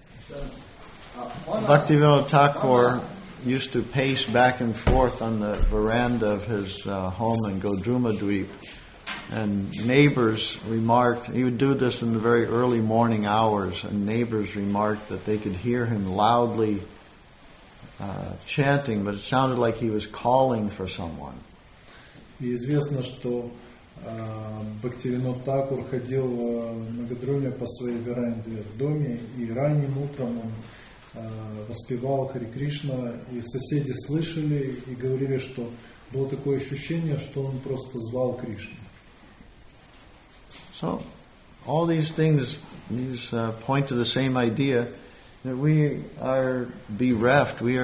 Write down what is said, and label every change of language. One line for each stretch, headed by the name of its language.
English: Bhaktivinoda Thakur used to pace back and forth on the veranda of his home in Godrumadweep. And neighbors remarked, he would do this in the very early morning hours, and neighbors remarked that they could hear him loudly chanting, but it sounded like he was calling for someone.
Russian: Известно, что Бхактивинода Тхакур ходил на Годруме по своей веранде в доме, и ранним утром он воспевал Хари Кришна, и соседи слышали и говорили, что было такое ощущение, что он просто звал Кришну.
English: So, all these things, these point to the same idea that we are bereft,